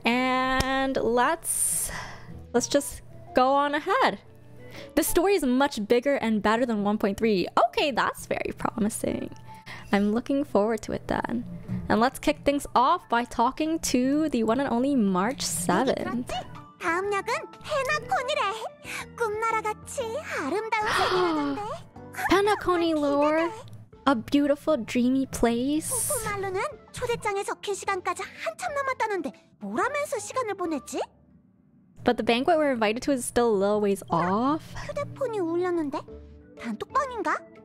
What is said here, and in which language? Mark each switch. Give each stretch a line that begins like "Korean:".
English: And let's just go on ahead. The story is much bigger and better than 1.3. Okay, that's very promising. I'm looking forward to it then. And let's kick things off by talking to the one and only March 7th.
Korean: 다음 역은 페나코니래. 꿈나라같이 아름다운 세계라던데.
English: Penacony lore, a beautiful dreamy place.
Korean: 말로는 초대장에 적힌 시간까지 한참 남았다는데 뭐라면서 시간을 보냈지?
English: But the banquet we're invited to is still a little ways off.
Korean: 휴대폰이 울렸는데 단톡방인가?